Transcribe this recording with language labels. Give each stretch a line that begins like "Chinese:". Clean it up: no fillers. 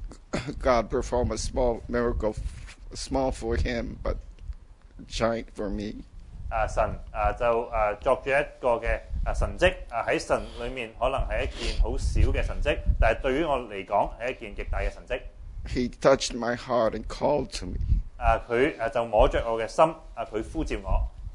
English: God performed a small miracle, small for him, but giant for me.
Chinese: 神就作了一个神迹，在神里面可能是一件很小的神迹，但对于我来说是一件极大的神迹。
English: He touched my heart and called to me.
Chinese: 他就摸着我的心，他呼召我。